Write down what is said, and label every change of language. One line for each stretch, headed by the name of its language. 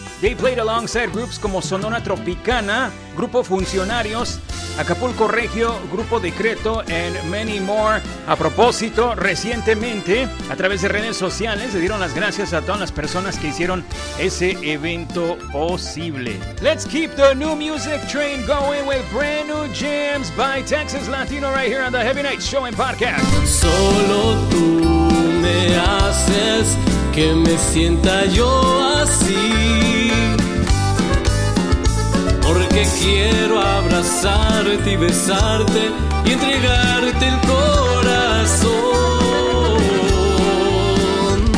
English: They played alongside groups como Sonora Tropicana, Grupo Funcionarios, Acapulco Regio, Grupo Decreto, and many more.
Spanish: A propósito, recientemente, a través de redes sociales, le dieron las gracias a todas las personas que hicieron ese evento posible.
English: Let's keep the new music train going with brand new jams by Texas Latino right here on the Heavy Night Show and Podcast.
Spanish: Solo tú me haces que me sienta yo así. Porque quiero abrazarte y besarte y entregarte el corazón.